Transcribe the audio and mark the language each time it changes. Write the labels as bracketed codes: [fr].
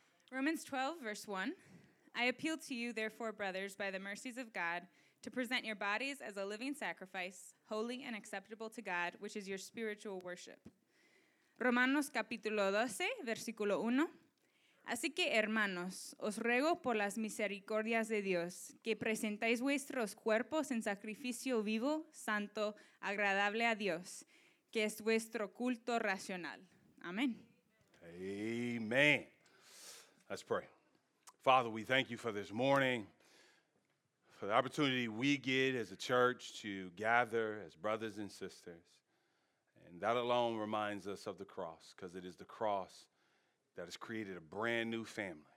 [en] Romans 12, verse 1. I appeal to you, therefore, brothers, by the mercies of God, to present your bodies as a living sacrifice, holy and acceptable to God, which is your spiritual worship. [es] Romanos capítulo 12, versículo 1. Así que, hermanos, os ruego por las misericordias de Dios, que presentéis vuestros cuerpos en sacrificio vivo, santo, agradable a Dios, que es vuestro culto racional. Amén. [en] Amen. Let's pray. Father, we thank you for this morning, for the opportunity we get as a church to gather as brothers and sisters. And that alone reminds us of the cross, because it is the cross that has created a brand new family.